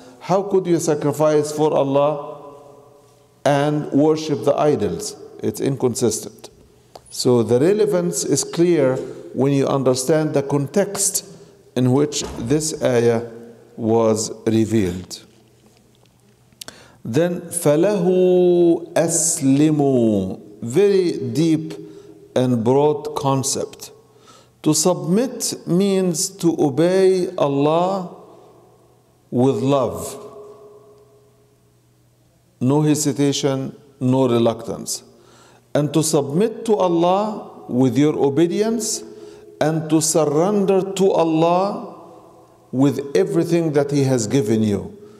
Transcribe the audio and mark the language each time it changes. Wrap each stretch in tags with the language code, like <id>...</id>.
<en>How could you sacrifice for Allah and worship the idols? It's inconsistent. So the relevance is clear when you understand the context in which this ayah was revealed.</en> <ar>Then فَلَهُ أَسْلِمُ.</ar> <en>Very deep and broad concept. To submit means to obey Allah with love. No hesitation, no reluctance. And to submit to Allah with your obedience and to surrender to Allah with everything that He has given you.</en>